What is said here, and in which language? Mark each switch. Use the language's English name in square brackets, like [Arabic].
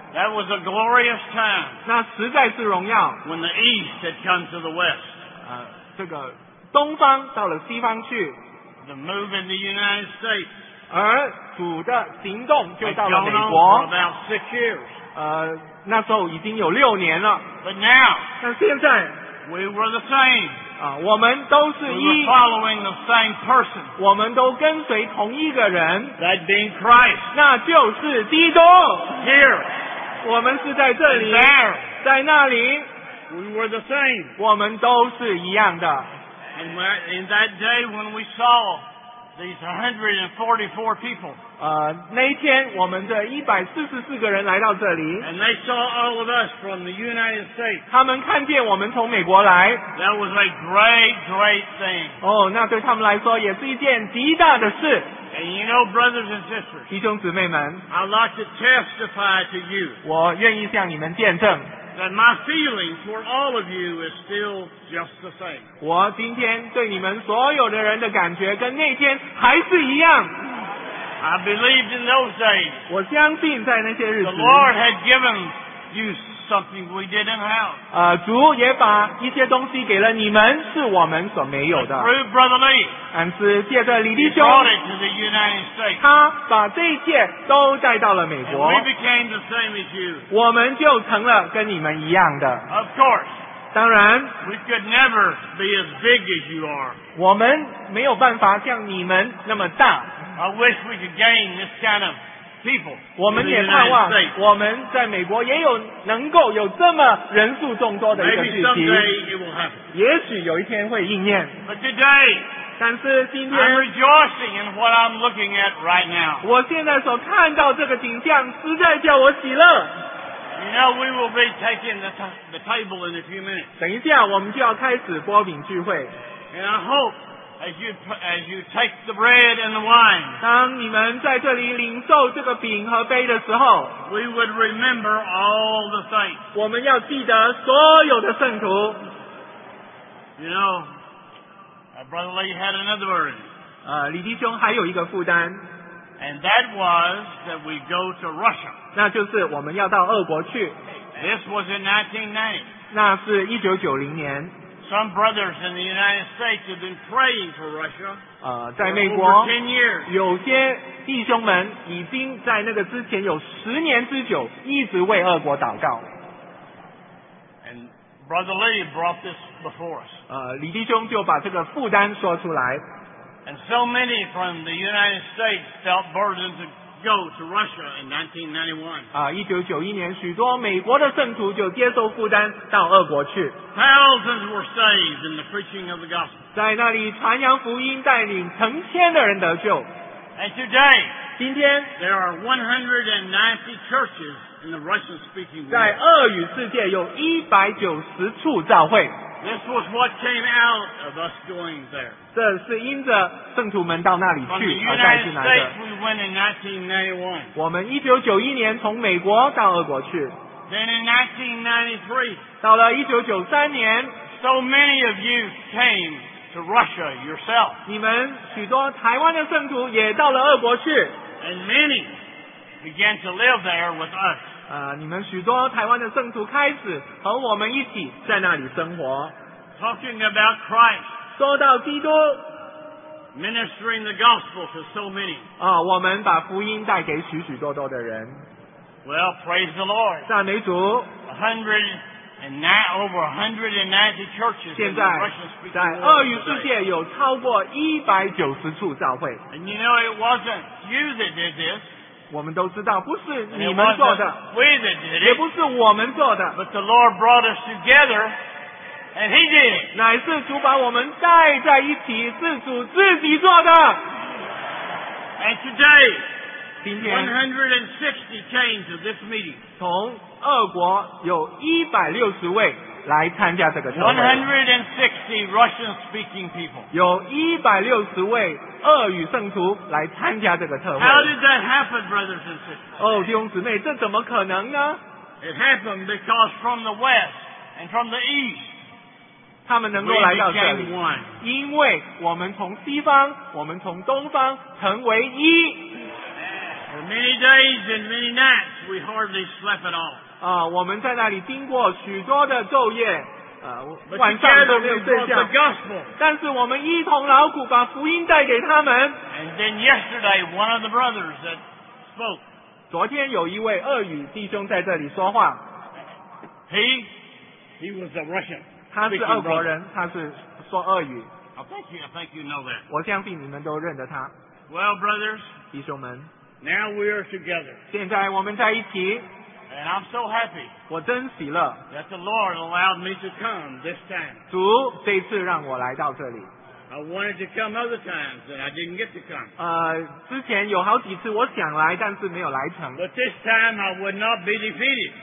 [English] That was a glorious time. [Chinese] 那实在是荣耀。 [English] When the east had come to the west. [Chinese] 这个东方到了西方去。 [English] The move in the United States. [Chinese] 而主的行动就到了美国。 [English] Had gone on for about 6 years. [Chinese] 那时候已经有六年了。 [English] But now, [Chinese] 但现在 [English] we were the same. [Chinese] 我们都是一。 [English] We were following the same person. [Chinese] 我们都跟随同一个人。 [English] That being Christ. [Chinese] 那就是基督。 [English] Here. [Chinese] 我们是在这里。 [English] There. [Chinese] 在那里。 [English] We were the same. [Chinese] 我们都是一样的。 [English] And in that day when we saw these 144 people, [Chinese] 那天我们的144个人来到这里。 [English] And they saw all of us from the United States. [Chinese] 他们看见我们从美国来。 [English] That was a great, great thing. [Chinese] 那对他们来说也是一件极大的事。 [English] And you know, brothers and sisters, [Chinese] 弟兄姊妹们, [English] I'd like to testify to you. [Chinese] 我愿意向你们见证。 [English] That my feeling for all of you is still just the same. [Chinese] 我今天对你们所有的人的感觉跟那天还是一样。 [English] I believed in those days. [Chinese] 我相信在那些日子。 [English] The Lord had given you something we didn't have. [Chinese] 主也把一些东西给了你们，是我们所没有的。 [English] Through Brother Lee. [Chinese] 但是借着李弟兄。 [English] He brought it to the United States. [Chinese] 他把这一切都带到了美国。 [English] And we became the same as you. [Chinese] 我们就成了跟你们一样的。 [English] Of course. [Chinese] 当然。 [English] We could never be as big as you are. [Chinese] 我们没有办法像你们那么大。 [English] I wish we could gain this kind of people. [Chinese] 我们也盼望我们在美国也有能够有这么人数众多的一个聚集，也许有一天会应验。但是今天 [English] I'm rejoicing in what I'm looking at right now. [Chinese] 我现在所看到这个景象实在叫我喜乐。 [English] You know, we will be taking the table in a few minutes. [Chinese] 等一下我们就要开始擘饼聚会。 [English] And I hope As you take the bread and the wine, [Chinese] 当你们在这里领受这个饼和杯的时候， [English] we would remember all the saints. [Chinese] 我们要记得所有的圣徒。 [English] You know, Brother Lee had another burden. [Chinese] 李弟兄还有一个负担。 [English] And that was that we go to Russia. [Chinese] 那就是我们要到俄国去。 [English] This was in 1990. [Chinese] 那是1990年。 [English] Some brothers in the United States have been praying for Russia. [Chinese] 在美国 [English] for over 10 years. [Chinese] 有些弟兄们已经在那个之前有十年之久一直为俄国祷告。 [English] And Brother Lee brought this before us. [Chinese] 李弟兄就把这个负担说出来。 [English] And so many from the United States felt burdened to go to Russia in 1991. [Chinese] 1991年许多美国的圣徒就接受负担到俄国去。 [English] Thousands were saved in the preaching of the gospel. [Chinese] 在那里传扬福音带领成千的人得救。 [English] And today, [Chinese] 今天, [English] there are 190 churches in the Russian speaking world. [Chinese] 在俄语世界有190处教会。 [English] This was what came out of us going there. [Chinese] 这是因着圣徒们到那里去而带进来的。 [English] From the United States, we went in 1991. [Chinese] 我们1991年从美国到俄国去。 [English] Then in 1993, [Chinese] 到了1993年, [English] so many of you came to Russia yourself. [Chinese] 你们许多台湾的圣徒也到了俄国去。 [English] And many began to live there with us. [Chinese] 你们许多台湾的圣徒开始和我们一起在那里生活。 [English] Talking about Christ. [Chinese] 说到基督。 [English] Ministering the gospel to so many. [Chinese] 我们把福音带给许许多多的人。 [English] Well, praise the Lord. [Chinese] 赞美主。 [English] Over 190 churches in the Russian speaking. [Chinese] 现在在俄语世界有超过190处教会。 [English] And you know, it wasn't you that did this. [Chinese] 我们都知道不是你们做的 [English] it, [Chinese] 也不是我们做的 [English] but the Lord brought us together, and he did it. [Chinese] 乃是主把我们带在一起是主自己做的 [English] and today, [Chinese] 今天 [English] 160 came to this meeting. [Chinese] 从俄国有160位来参加这个教会 [English] 160 Russian speaking people [Chinese] 有160位俄语圣徒来参加这个特会。 [English] How did that happen, brothers and sisters? [Chinese] 弟兄姊妹，这怎么可能呢？ [English] It happened because from the west and from the east, [Chinese] 他们能够来到这里，因为我们从西方，我们从东方成为一。 [English] For many days and many nights, we hardly slept at all. [Chinese] 我们在那里经过许多的昼夜。晚上都没有睡觉 [English] the gospel, [Chinese] 但是我们一同劳苦把福音带给他们 [English] and then yesterday, one of the brothers that spoke, [Chinese] 昨天有一位俄语弟兄在这里说话 [English] he was a Russian [Chinese] 他是俄国人他是说俄语 [English] I think you know that. [Chinese] 我相信你们都认得他 [English] well, brothers, [Chinese] 弟兄们 [English] now we are together. [Chinese] 现在我们在一起 [English] And I'm so happy. [Chinese] 我真喜乐。 [English] That the Lord allowed me to come this time. [Chinese] 主这次让我来到这里。 [English] I wanted to come other times, and I didn't get to come. [Chinese] 之前有好几次我想来，但是没有来成。 [English] But this time I would not be defeated.